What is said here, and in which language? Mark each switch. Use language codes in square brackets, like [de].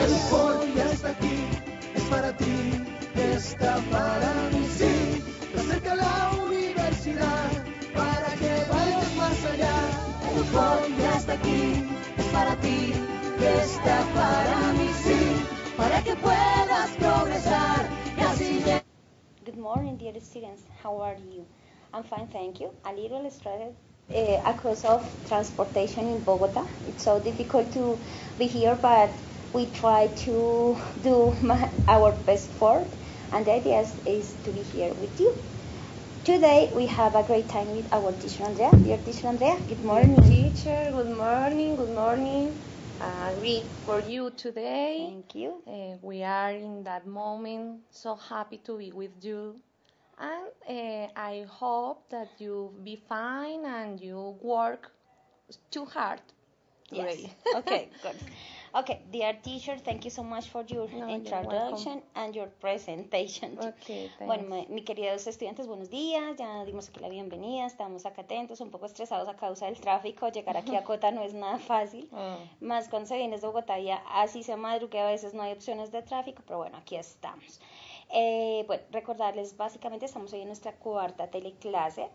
[es] El Ford ya está aquí, es para ti, está para mí, sí. Acerca la universidad para que vayas más allá. El Ford ya está aquí, es para ti, está para mí, sí. Para que puedas progresar y así llegar. [en] Good morning, dear students. How are you? I'm fine, thank you. A little stressed because of transportation in Bogota. It's so difficult to be here, but we try to do our best for it. And the idea is to be here with you. Today, we have a great time with our teacher, Andrea. Dear teacher, Andrea, good morning. Good teacher, good morning, good morning. Great for you today. Thank you. We are in that moment, so happy to be with you. And I hope that you be fine and you work too hard. Yes. Really. Okay, good. Okay, dear teacher, thank you so much for your introduction and your presentation. Okay, [es] bueno, mi queridos estudiantes, buenos días. Ya dimos aquí la bienvenida. Estamos acá atentos, un poco estresados a causa del tráfico. Llegar aquí a Cota no es nada fácil. Más cuando se viene de Bogotá, ya así se madruga, a veces no hay opciones de tráfico, pero bueno, aquí estamos. Bueno, recordarles, básicamente estamos hoy en nuestra cuarta teleclase.